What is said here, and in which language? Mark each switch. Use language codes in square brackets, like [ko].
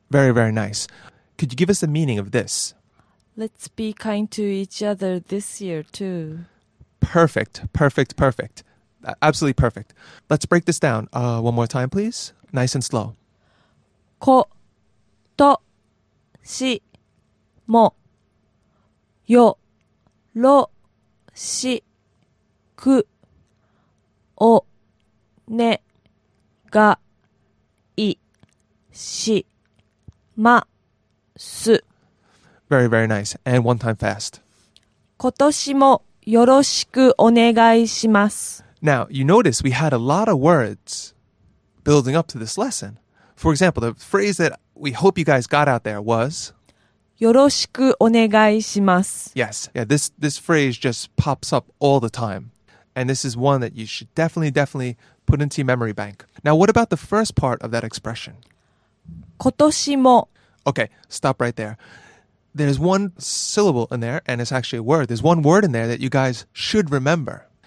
[en] Very, very nice. Could you give us the meaning of this? Let's be kind to each other this year too. Perfect, perfect, perfect. Absolutely perfect. Let's break this down one more time, please. Nice and slow. [ja] Koto shi mo yo ro shi ku o ne ga i shi ma su. [en] Very, very nice. And one time fast. [ja] Kotoshi mo yoroshiku onegai shimasu. [en] Now, you notice we had a lot of words building up to this lesson. For example, the phrase that we hope you guys got out there was [ja] よろしくお願いします。 [en] Yes, yeah, this phrase just pops up all the time. And this is one that you should definitely, definitely put into your memory bank. Now, what about the first part of that expression? [ja] 今年も。 [en] Okay, stop right there. There's one syllable in there, and it's actually a word. There's one word in there that you guys should remember.